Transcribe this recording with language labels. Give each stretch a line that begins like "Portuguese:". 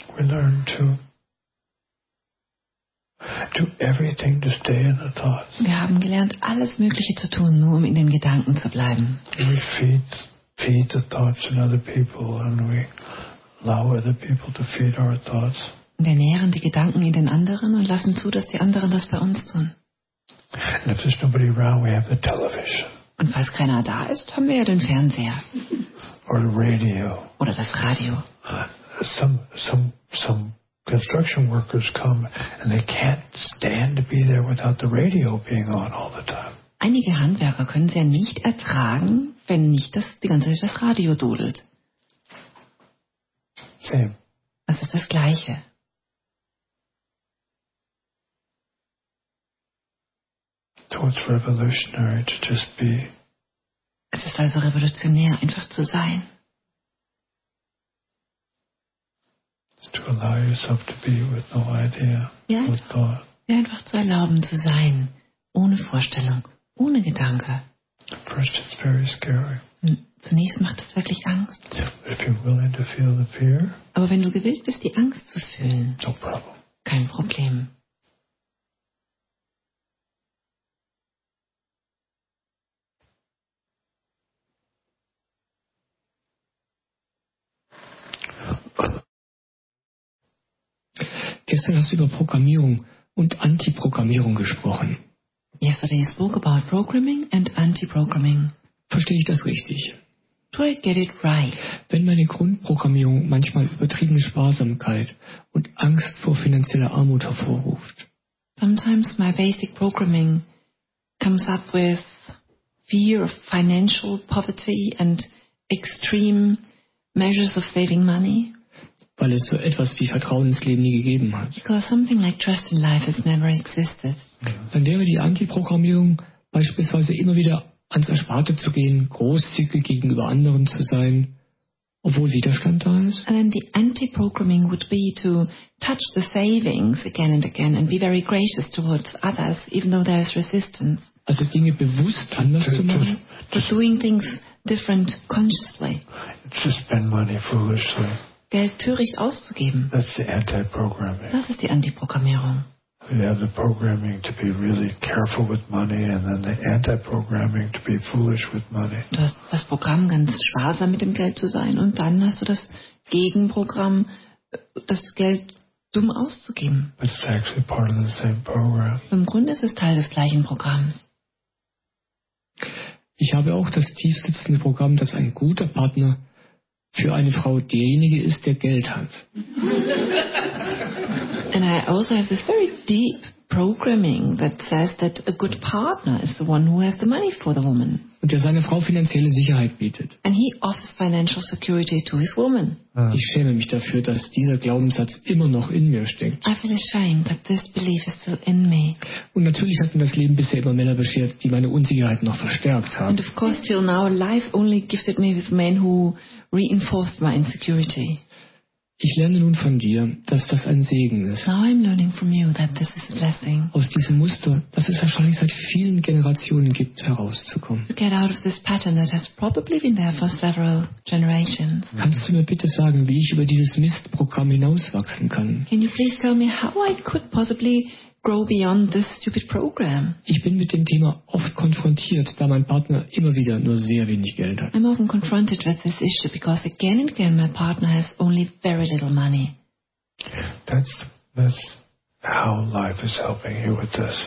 English: We learn to do everything to stay in the thoughts.
German: Wir haben gelernt, alles Mögliche zu tun, nur um in den Gedanken zu bleiben.
English: We feed the thoughts in other people and we allow other people to feed our thoughts.
German: Wir nähren die Gedanken in den anderen und lassen zu, dass die anderen das bei uns tun.
English: And if there's nobody around, we have the television.
German: Und falls keiner da ist, haben wir ja den Fernseher.
English: Or the radio.
German: Oder das Radio.
English: Some construction workers come and they can't stand to be there without the radio being on all the time.
German: Einige Handwerker können es ja nicht ertragen, wenn nicht die ganze Zeit das Radio dudelt.
English: Same.
German: Das ist das Gleiche.
English: So it's revolutionary to just be.
German: Es ist also revolutionär, einfach zu sein.
English: To allow yourself to be with no idea, with thought.
German: Ja, einfach zu erlauben, zu sein, ohne Vorstellung, ohne Gedanke.
English: For first it's very scary.
German: Zunächst macht es wirklich Angst.
English: Yeah, if you're willing to feel the fear,
German: aber wenn du gewillt bist, die Angst zu fühlen,
English: no problem.
German: Kein Problem. Gestern hast du über Programmierung und Antiprogrammierung gesprochen.
English: Yesterday you spoke about programming and anti-programming.
German: Verstehe ich das richtig?
English: Do I get it right?
German: Wenn meine Grundprogrammierung manchmal übertriebene Sparsamkeit und Angst vor finanzieller Armut hervorruft.
English: Sometimes my basic programming comes up with fear of financial poverty and extreme measures of saving money.
German: Weil es so etwas wie Vertrauen ins Leben nie gegeben hat.
English: Because something like trust in life has never existed.
German: Dann wäre die Antiprogrammierung beispielsweise immer wieder ans Ersparte zu gehen, großzügig gegenüber anderen zu sein, obwohl Widerstand da ist.
English: And then the anti-programming would be to touch the savings again and again and be very gracious towards others, even though there is resistance.
German: Also Dinge bewusst anders zu machen.
English: For doing things different consciously. To spend money foolishly.
German: Geld töricht auszugeben.
English: That's the anti-programming.
German: Das ist die Antiprogrammierung.
English: We have the programming to be really careful with money and then the anti-programming to be foolish with money.
German: Du hast das Programm, ganz sparsam mit dem Geld zu sein, und dann hast du das Gegenprogramm, das Geld dumm auszugeben.
English: But it's actually part of the same program.
German: Im Grunde ist es Teil des gleichen Programms. Ich habe auch das tiefsitzende Programm, dass ein guter Partner für eine Frau derjenige ist, der Geld hat.
English: And I also have this very deep programming that says that a good partner is the one who has the money for the woman.
German: Und der seine Frau finanzielle Sicherheit bietet.
English: And he offers financial security to his woman.
German: Ich schäme mich dafür, dass dieser Glaubenssatz immer noch in mir steckt.
English: I feel ashamed that this belief is still in me.
German: Und natürlich hat mir das Leben bisher immer Männer beschert, die meine Unsicherheit noch verstärkt haben.
English: And of course till now life only gifted me with men who reinforced my insecurity.
German: Ich lerne nun von dir, dass das ein Segen ist.
English: Now I'm learning from you that this is a blessing.
German: Aus diesem Muster, das es wahrscheinlich seit vielen Generationen gibt, herauszukommen.
English: To get out of this pattern that has probably been there for several generations.
German: Kannst du mir bitte sagen, wie ich über dieses Mistprogramm hinauswachsen kann?
English: Can you please tell me how I could possibly grow beyond this stupid program?
German: Ich bin mit dem Thema oft konfrontiert, da mein Partner immer wieder nur sehr wenig Geld hat.
English: I'm often confronted with this issue because again and again my partner has only very little money. That's how life is helping you with this.